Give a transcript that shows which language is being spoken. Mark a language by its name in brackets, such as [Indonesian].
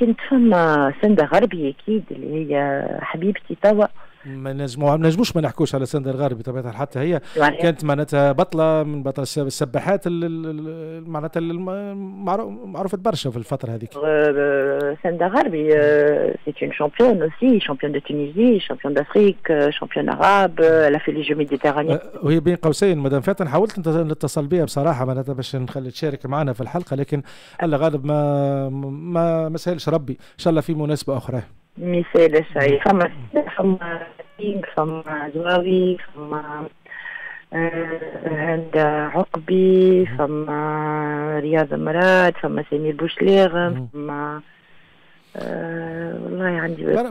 [Arabic] فما سندة غربي أكيد اللي هي حبيبتي توا. ما نحكوش على سندر الغربي طبيعة حتى هي يعني كانت معناتها بطلة من بطل السباحات معناتها معروفة برشا في الفترة هذه. [French] سندر غربي c'est une championne aussi championne de Tunisie championne d'Afrique championne arabe la Félix Méditerranée. [Arabic] وهي بين قوسين مدام فاتن حاولت نتصل بها بصراحة معناتها باش نخلي تشارك معنا في الحلقة لكن الله غالب ما سهلش ربي إن شاء الله في مناسبة أخرى. مثال شيء فما تينغ فما زواوي فما هند عقبي فما رياض مراد فما سمير بوشليغم فما والله عندي